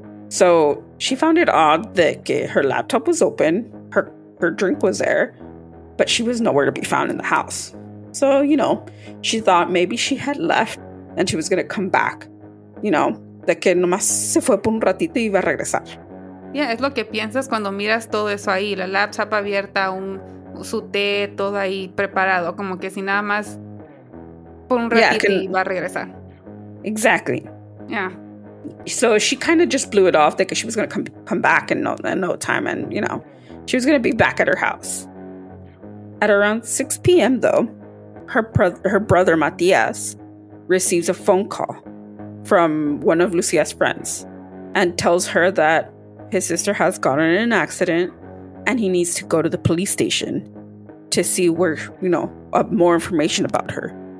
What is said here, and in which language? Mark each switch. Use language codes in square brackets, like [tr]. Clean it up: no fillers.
[en] So she found it odd that her laptop was open. Her drink was there, but she was nowhere to be found in the house. So, you know, she thought maybe she had left and she was going to come back, you know, [es] de que nomás se fue por un ratito y iba a regresar. Yeah, es lo que piensas cuando miras todo eso ahí, la laptop abierta, su té, todo ahí preparado, como que si nada más por un ratito y va a regresar. [en] Exactly. Yeah. So she kind of just blew it off, because like she was going to come back in no time, and, you know, she was going to be back at her house. At around 6 p.m., though, her brother, Matias, receives a phone call from one of Lucia's friends and tells her that his sister has gotten in an accident and he needs to go to the police station to see where, you know, more information about her.